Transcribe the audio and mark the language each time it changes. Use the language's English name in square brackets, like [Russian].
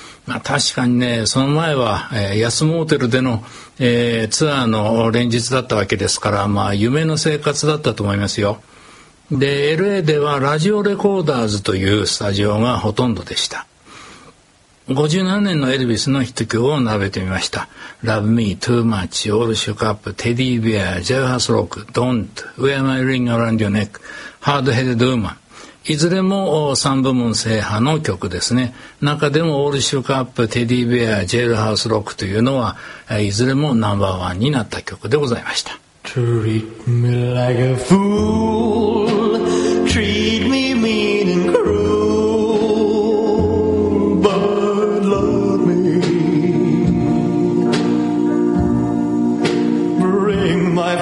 [Japanese] まあ、確かにねその前は、安モーテルでの、ツアーの連日だったわけですから、まあ、夢の生活だったと思いますよ。で LA ではラジオレコーダーズというスタジオがほとんどでした。 57年のエルビスのヒット曲を並べてみました。 [English] Love Me, Too Much, All Shook Up, Teddy Bear, Jailhouse Rock, Don't, Wear My Ring Around Your Neck, Hard Headed Woman、 [Japanese] いずれも3部門制覇の曲ですね。中でもオールシュークアップ、テディベア、ジェルハウスロックというのはいずれもナンバーワンになった曲でございました。 [English] Treat me like a fool, treat me mean and cruel, but love me, bring my